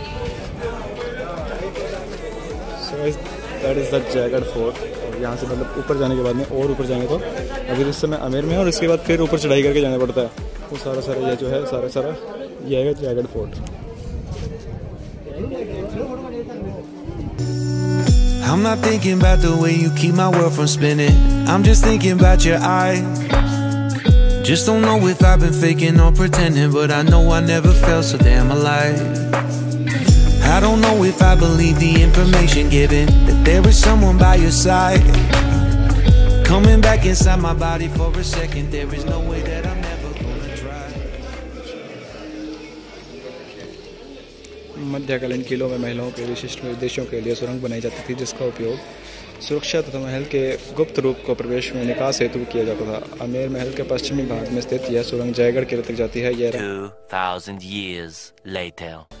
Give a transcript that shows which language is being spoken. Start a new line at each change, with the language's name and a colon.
English: so that is the Jaigarh fort
Hindi: और यहाँ से मतलब ऊपर जाने के बाद में और ऊपर जाएंगे तो अभी इस समय आमेर में है और इसके बाद फिर ऊपर चढ़ाई करके जाना पड़ता है वो सारा ये जो है सारा ये है Jaigarh fort.
English: I'm not thinking about the way you keep my world from spinning. I'm just thinking about your eyes. Just don't know if I've been faking or pretending, but I know I never felt so damn alive. I don't know if I believe the information given that there is someone by your side. Coming back inside my body for a second, there is no way that I'm never gonna try.
Hindi: मध्यकालीन किलों में महिलाओं के विशिष्ट उद्देश्यों के लिए सुरंग बनाई जाती थी जिसका उपयोग सुरक्षा तथा महल के गुप्त रूप को प्रवेश में निकास हेतु किया जाता था। आमेर महल के पश्चिमी भाग में स्थित यह सुरंग जयगढ़ किले तक जाती है।
English: यह 2000 years later.